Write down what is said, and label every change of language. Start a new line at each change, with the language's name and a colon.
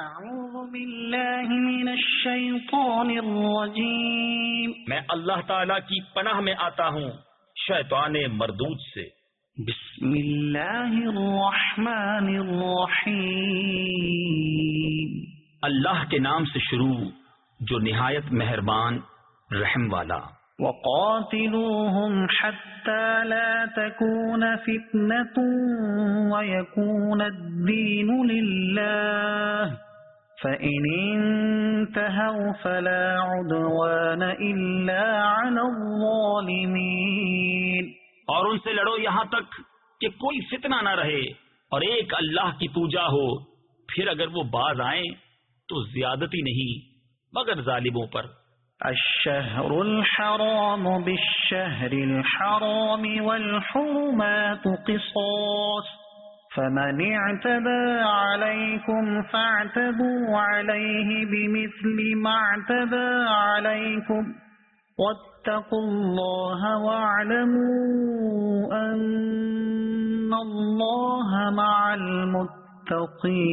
Arabic: أعوذ بالله من الشيطان الرجيم.
Urdu: میں اللہ تعالیٰ کی پناہ میں آتا ہوں شیطان مردود سے.
Arabic: بسم اللہ الرحمن الرحیم.
Urdu: اللہ کے نام سے شروع جو نہایت مہربان رحم والا.
Arabic: وقاتلوهم حتى لا تكون فتنة ويكون الدين لله فإن انتهوا فلا عدوان إلا على الظالمين.
Urdu: اور ان سے لڑو یہاں تک کہ کوئی فتنہ نہ رہے اور ایک اللہ کی پوجا ہو، پھر اگر وہ باز آئیں تو زیادتی نہیں مگر ظالموں پر.
Arabic: الشهر الحرام بالشهر الحرام والحرمات قصاص فمن اعتدى عليكم فاعتدوا عليه بمثل ما اعتدى عليكم واتقوا الله واعلموا ان الله مع المتقين.